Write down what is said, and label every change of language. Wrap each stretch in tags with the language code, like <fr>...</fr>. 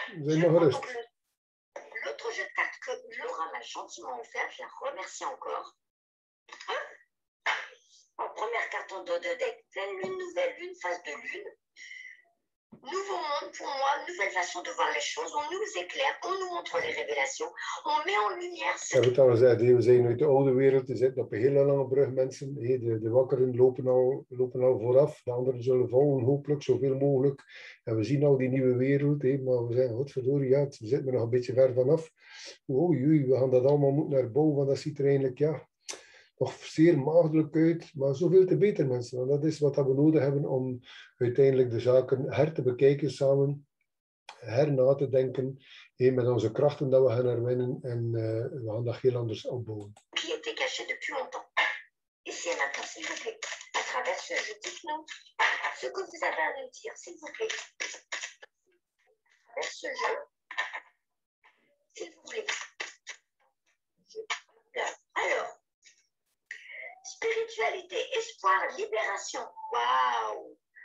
<fr>L'autre jeu de cartes que Laura m'a gentiment offert, je la remercie encore. En première carte en dos de deck, pleine lune, nouvelle lune, phase de lune. Nouveau monde pour moi, nouvelle façon de voir les choses. On nous éclaire, on nous montre les révélations, on met en lumière.</fr> <nl>Ja, goed, dan zei je, we zijn uit de oude wereld, we zitten op een hele lange brug, mensen. Hey, de wakkeren lopen al vooraf, de anderen zullen volgen, hopelijk, zoveel mogelijk. En we zien al die nieuwe wereld, hey, maar we zijn, godverdorie, ja, we zitten er nog een beetje ver vanaf. Oei, oei, we gaan dat allemaal moeten herbouwen, want dat ziet er eigenlijk, ja, nog zeer maagdelijk uit, maar zoveel te beter, mensen. Want dat is wat we nodig hebben om uiteindelijk de zaken her te bekijken samen, her na te denken, hey, met onze krachten dat we gaan herwinnen en we gaan dat heel anders opbouwen.</nl> <fr>Qui était caché depuis longtemps. Ici, maintenant, s'il vous plaît, à travers ce jeu, dites-nous ce que vous avez à nous dire, s'il vous plaît. À travers ce jeu, s'il vous plaît. Alors, spiritualité, espoir, libération. Waouh!</fr>